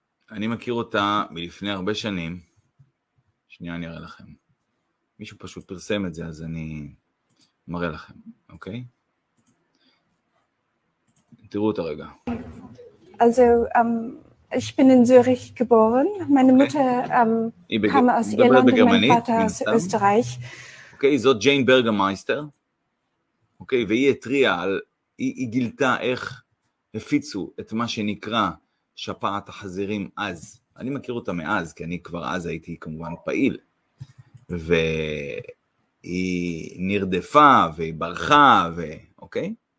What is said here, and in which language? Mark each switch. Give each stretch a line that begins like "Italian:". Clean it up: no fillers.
Hebrew: אני מכיר אותה מלפני הרבה שנים. שנייה אני אראה לכם. מישהו פשוט פרסם את זה, אז אני מראה לכם, אוקיי? תראו אותה רגע.
German: Also, ich bin in Zürich geboren. Meine Mutter kam aus Irland, mein Vater aus Österreich.
Hebrew: אוקיי, okay, זאת ג'יין ברגמייסטר, אוקיי, והיא התריעה, היא גילתה איך הפיצו את מה שנקרא שפעת החזירים אז, אני מכיר אותה מאז, כי אני כבר אז הייתי כמובן פעיל, והיא נרדפה והיא ברחה, אוקיי?